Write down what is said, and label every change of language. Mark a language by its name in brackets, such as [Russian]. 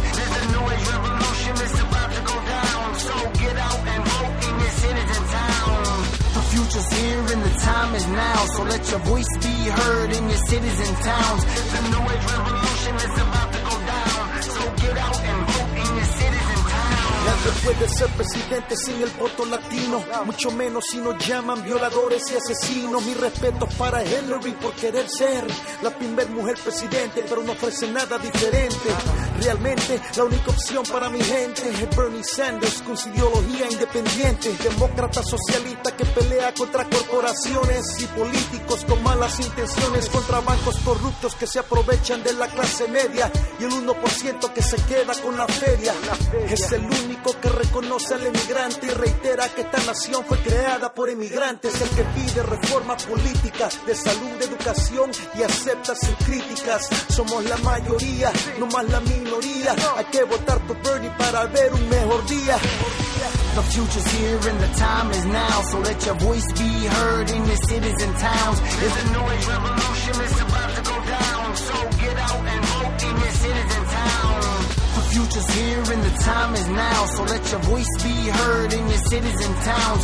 [English] There's a new age revolution, it's about to go down, so get out and vote in your cities and towns. The future's here and the time is now, so let your voice be heard in your cities and towns. There's a new age revolution, it's about to go down, so get out and vote. [Spanish] Después de ser presidente sin el voto latino, mucho menos si nos llaman violadores y asesinos. Mi respeto para Hillary por querer ser la primer mujer presidente, pero no ofrece nada diferente. Realmente la única opción para mi gente es Bernie Sanders con su ideología independiente. Demócrata socialista que pelea contra corporaciones y políticos con malas intenciones, contra bancos corruptos que se aprovechan de la clase media y el 1% que se queda con la feria. Es el único que reconoce al emigrante y reitera que esta nación fue creada por emigrantes. El que pide reforma política de salud, de educación y acepta sus críticas. Somos la mayoría, no más la minoría. Hay que votar por Bernie para ver un mejor día. [English] The future's here and the time is now, so let your voice be heard in your cities and towns. It's a new age revolution, it's about to go down, so get out and vote in your cities and towns. The future's here and the time is now, so let your voice be heard in your cities and towns.